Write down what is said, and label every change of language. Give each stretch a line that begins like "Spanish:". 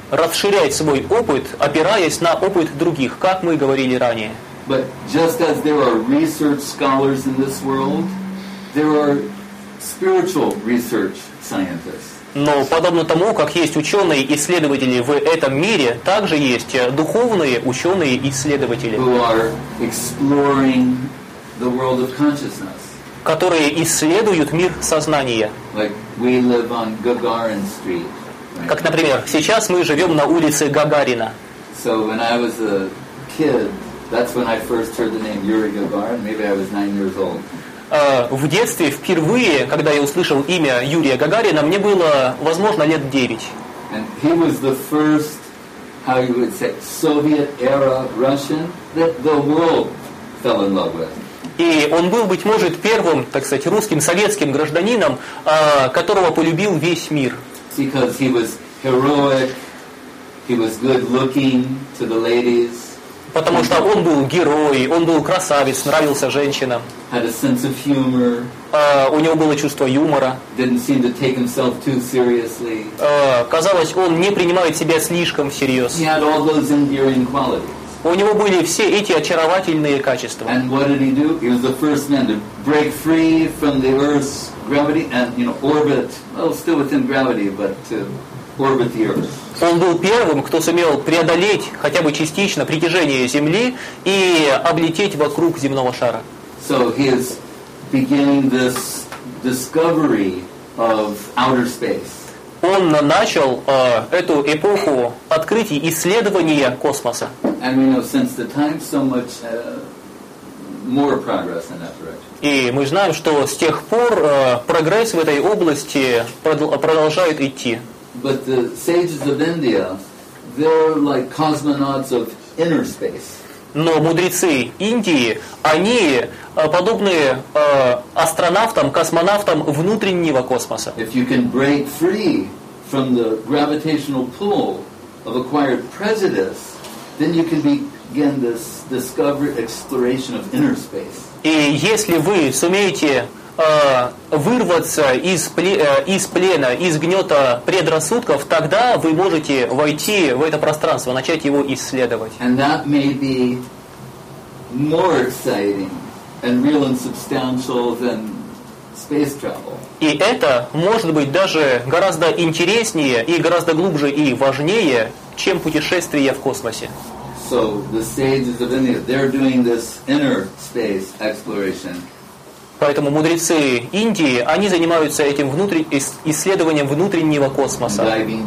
Russian: Расширять свой опыт, опираясь на опыт других, как мы говорили ранее.
English: But just as there are research scholars in this world, there are spiritual research scientists.
Russian: Но подобно тому, как есть ученые исследователи в этом мире, также есть духовные ученые исследователи,
English: who are exploring the world of consciousness,
Russian: которые исследуют мир сознания.
English: Like we live on Gagarin Street.
Russian: Как, например, сейчас мы живем на улице Гагарина.
English: So when I was a kid. That's when I first heard the name Yuri Gagarin. Maybe I was 9 years old.
Russian: В детстве впервые, когда я услышал имя Юрия Гагарина, мне было, возможно, лет 9.
English: And he was the first, how you would say, Soviet era Russian that the world fell in love with.
Russian: И он был, быть может, первым, так сказать, русским советским гражданином, которого полюбил весь мир.
English: Because he was heroic, he was good looking to the ladies.
Russian: Потому что он был герой, он был красавец, нравился женщинам.
English: Had a sense of humor.
Russian: У него было чувство юмора.
English: Didn't seem to take himself too seriously.
Russian: Казалось, он не принимает себя слишком всерьез.
English: He had all those endearing qualities.
Russian: У него были все эти очаровательные качества.
English: And what did he do? He was the first man to break free from the Earth's gravity and, you know, orbit, well, still within gravity, but to orbit the Earth.
Russian: Он был первым, кто сумел преодолеть хотя бы частично притяжение Земли и облететь вокруг земного шара.
English: So he is beginning this discovery of outer space.
Russian: Он начал эту эпоху открытий исследования космоса.
English: And we know since the time so much more progress in that direction.
Russian: И мы знаем, что с тех пор прогресс в этой области продолжает идти.
English: But the sages of India, they're like cosmonauts of inner space.
Russian: Но мудрецы Индии, они подобны астронавтам, космонавтам внутреннего космоса.
English: If you can break free from the gravitational pull of acquired prejudice, then you can begin this discovery, exploration of inner space.
Russian: И если вы сумеете вырваться из плена, из гнета предрассудков, тогда вы можете войти в это пространство, начать его исследовать.
English: And that may be more exciting and real and substantial than space travel.
Russian: И это может быть даже гораздо интереснее и гораздо глубже и важнее, чем путешествие в космосе.
English: So the sages of India, they're doing this inner space exploration.
Russian: Поэтому мудрецы Индии, они занимаются этим исследованием внутреннего космоса.